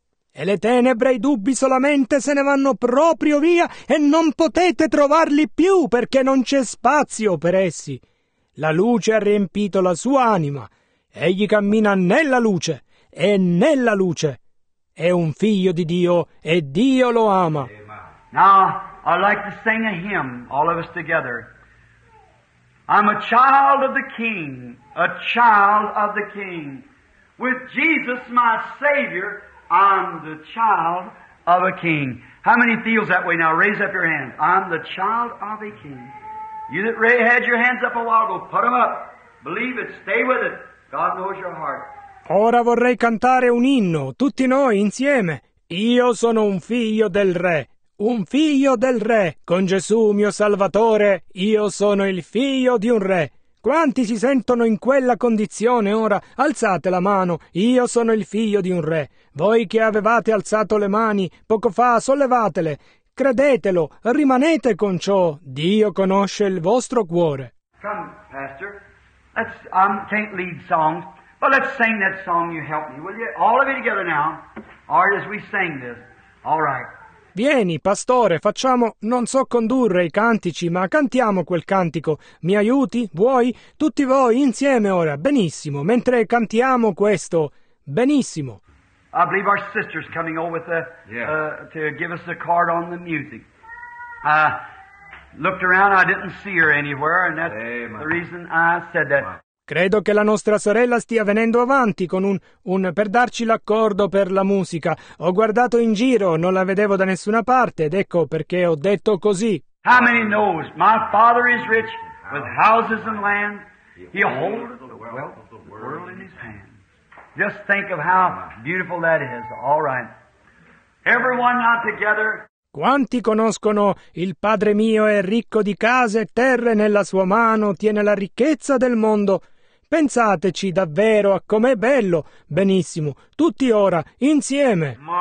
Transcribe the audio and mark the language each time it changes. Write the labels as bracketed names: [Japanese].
[Italian] E le tenebre e i dubbi solamente se ne vanno proprio via e non potete trovarli più perché non c'è spazio per essi. La luce ha riempito la sua anima. Egli cammina nella luce e nella luce. È un figlio di Dio e Dio lo ama. No. [English] I'd like to sing a hymn, all of us together. I'm a child of the King, a child of the King. With Jesus, my Savior, I'm the child of a King. How many feels that way now? Raise up your hand. I'm the child of a King. You that had your hands up a while ago, put them up. Believe it. Stay with it. God knows your heart. [Italian] Ora vorrei cantare un inno, tutti noi insieme. Io sono un figlio del Re. Un figlio del Re, con Gesù mio Salvatore, io sono il figlio di un Re. Quanti si sentono in quella condizione ora? Alzate la mano, io sono il figlio di un Re. Voi che avevate alzato le mani poco fa, sollevatele. Credetelo, rimanete con ciò. Dio conosce il vostro cuore. [English] Come, Pastor. I can't lead songs, but let's sing that song you helped me, will you? All of you together now, or as we sing this. All right. [Italian] Vieni, pastore, facciamo, non so condurre i cantici, ma cantiamo quel cantico. Mi aiuti? Vuoi? Tutti voi, insieme ora. Benissimo. Mentre cantiamo questo. Benissimo. [English] I believe our sister's coming over with to give us the card on the music. I looked around, I didn't see her anywhere, and that's the reason I said that. [Italian] Credo che la nostra sorella stia venendo avanti con un per darci l'accordo per la musica. Ho guardato in giro, non la vedevo da nessuna parte, ed ecco perché ho detto così. [English] How many knows? My father is rich with houses and land. He holds the wealth of the world in his hand. Just think of how beautiful that is. All right. Everyone not together. [Italian] Quanti conoscono il Padre mio è ricco di case e terre nella sua mano, tiene la ricchezza del mondo. Pensateci davvero a com'è bello. Benissimo, tutti ora, insieme.